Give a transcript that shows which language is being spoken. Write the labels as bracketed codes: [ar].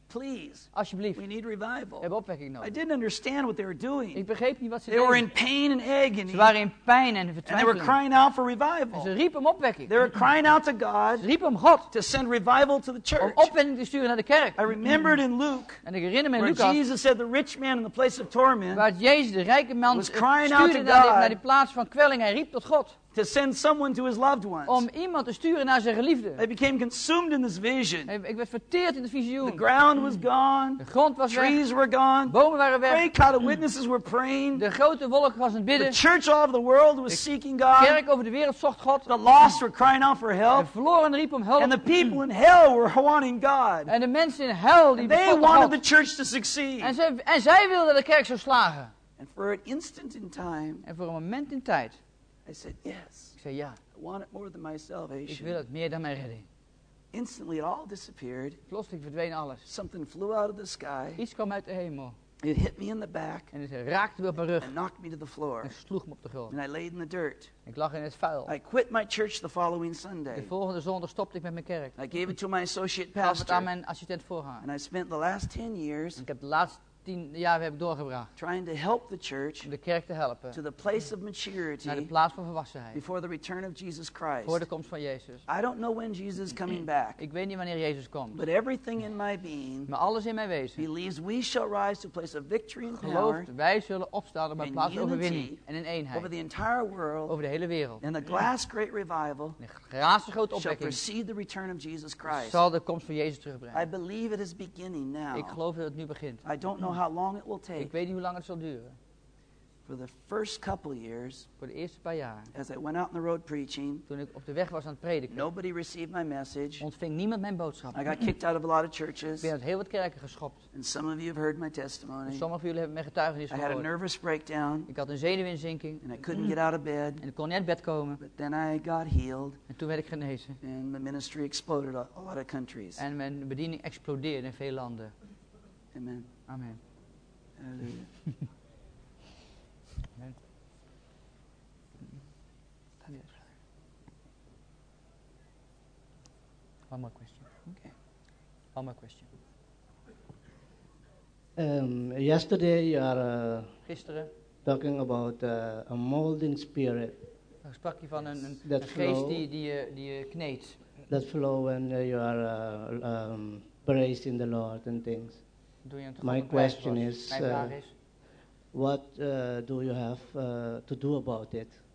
[en] Please. [nl] Alsjeblieft. [en] We need revival. [nl] We hebben opwekking nodig. [en] I didn't understand what they were doing. [nl] Ik begreep niet wat ze deden. [en] They were in pain and agony. [nl] Ze waren in pijn en vertwijfeling. [en] And they were crying out for revival. [nl] En ze riepen om opwekking. [en] They were crying out to God. [nl] Ze riepen om God. [en] To send revival to the church. [nl] Om opwekking te sturen naar de kerk. [en] I remembered in Luke. [nl] En ik herinner me in Lucas. [en] Jesus said the rich man in the place of torment. [nl] Waar Jezus de rijke man [en] was crying out to God. [nl] Stuurde naar die plaats van kwelling. Hij riep tot God. [en] To send someone to his loved ones. [nl] Om iemand te sturen naar zijn geliefden. [en] I became consumed in this vision. [nl] Ik werd verteerd in de visioen. [en] The ground was gone. [nl] De grond was [en] trees [nl] weg. [en] Were gone. [nl] Bomen waren weg. [en] Great cloud of witnesses were praying. [nl] De grote wolk was aan het bidden. [en] The church all over the world was seeking God. [nl] De kerk over de wereld zocht God. [en] The lost were crying out for help. [nl] De verloren riepen om hulp. [en] And the people in hell were wanting God. [nl] En de mensen in hel die [en] they wanted the church to succeed. [nl] En zij wilden de kerk zou slagen. [en] And for an instant in time. [nl] En voor een moment in tijd. [en] I said yes. [nl] Ik zei ja. [en] I want it more than my salvation. [nl] Ik wil het meer dan mijn redding. [en] Instantly it all disappeared. [nl] Plotseling verdween alles. [en] Something flew out of the sky. [nl] Iets kwam uit de hemel. [en] It hit me in the back. [nl] En het raakte me op mijn rug. [en] And knocked me to the floor. [nl] En sloeg me op de grond. [en] And I laid in the dirt. [nl] Ik lag in het vuil. [en] I quit my church the following Sunday. [nl] De volgende zondag stopte ik met mijn kerk. [en] I gave it to my associate pastor. [nl] Gaf het aan mijn assistent voorganger. [en] And I spent the last 10 years. [nl] Ik heb de laatste 10 jaar heb ik doorgebracht. [en] Trying to help the church. [nl] Om de kerk te helpen. [en] To the place of maturity. [nl] Naar de plaats van volwassenheid. [en] Before the return of Jesus Christ. [nl] Voor de komst van Jezus. [en] I don't know when Jesus is coming back. [nl] Ik weet niet wanneer Jezus komt. [en] But everything in my being. [nl] Maar alles in mijn wezen. [en] Believes we shall rise to a place of victory and [nl] gelooft, [en] power. [nl] Wij zullen opstaan op een plaats van overwinning en in eenheid. [en] Over the entire world. [nl] Over de hele wereld. [en] And the glass great revival. [nl] De glazen grote opwekking. [en] Shall precede the return of Jesus Christ. [nl] Zal de komst van Jezus terugbrengen. [en] I believe it is beginning now. [nl] Ik geloof dat het nu begint. [en] I don't know how long it will take. [nl] Ik weet niet hoe lang het zal duren. [en] For the first couple years, [nl] voor de eerste paar jaar, [en] as I went out on the road preaching, [nl] toen ik op de weg was aan het prediken, [en] nobody received my message. [nl] Ontving niemand mijn boodschap. [en] I got kicked out of a lot of churches. [nl] Ik ben uit heel wat kerken geschopt. [en] And some of you have heard my testimony. [nl] Sommige van jullie hebben mijn getuigenis gehoord. [en] I had a nervous breakdown. [nl] Ik had een zenuwinzinking. [en] And I couldn't get out of bed. [nl] En ik kon niet uit bed komen. [en] But then I got healed. [nl] En toen werd ik genezen. [en] And my ministry exploded a lot of countries. [nl] En mijn bediening explodeerde in veel landen. [en] Amen. [nl] Amen. [en] Amen. One more question. Okay. One more question. Yesterday you are [nl] gisteren [en] talking about a molding spirit. [nl] Daar sprak je van een geest die je kneedt. [en] That flow when you are praised in the Lord and things. My question is, what do you have to do about it?